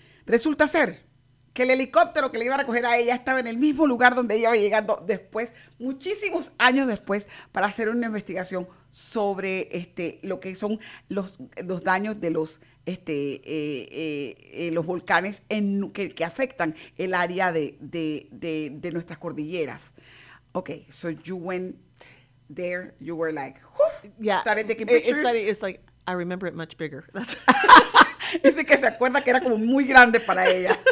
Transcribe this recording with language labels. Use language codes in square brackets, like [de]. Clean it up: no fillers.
[es] Resulta ser que el helicóptero que le iba a recoger a ella estaba en el mismo lugar donde ella iba llegando después, muchísimos años después, para hacer una investigación sobre lo que son los daños de los volcanes que afectan el área de nuestras cordilleras. [en] Okay, so you went there, you were like, whew, yeah, started taking pictures. It's funny, it's like, I remember it much bigger. That's [es] dice que se acuerda que era como muy grande para ella.